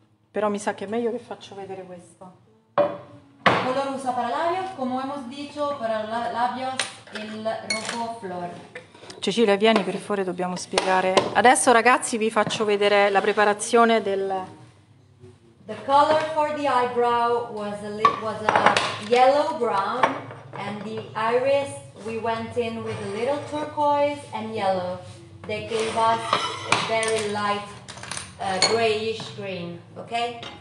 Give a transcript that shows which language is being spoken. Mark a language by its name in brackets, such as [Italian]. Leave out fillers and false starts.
[Italian] Però mi sa che è meglio che faccio vedere questo. [Spanish] Color usa para labios, como hemos dicho, para labios el rojo flor. [Italian] Cecilia, vieni per favore, dobbiamo spiegare. Adesso ragazzi, vi faccio vedere la preparazione [English] The color for the eyebrow was a yellow brown, and the iris we went in with a little turquoise and yellow. They gave us a very light grayish green, okay?